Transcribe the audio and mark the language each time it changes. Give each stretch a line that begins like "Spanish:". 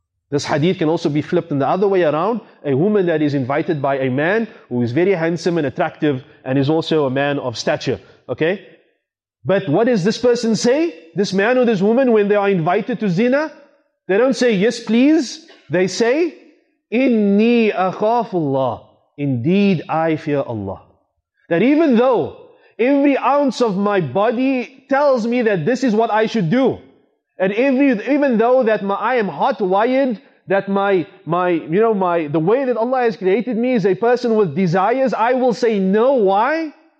English: This hadith can also be flipped in the other way around. A woman that is invited by a man who is very handsome and attractive and is also a man of stature. Okay? But what does this person say? This man or this woman, when they are invited to zina, they don't say, yes, please. They say,
Arabic: إِنِّي أَخَافُ اللَّهِ.
English: Indeed, I fear Allah. That even though every ounce of my body tells me that this is what I should do, and I am hot-wired, that the way that Allah has created me is a person with desires, I will say no. Why?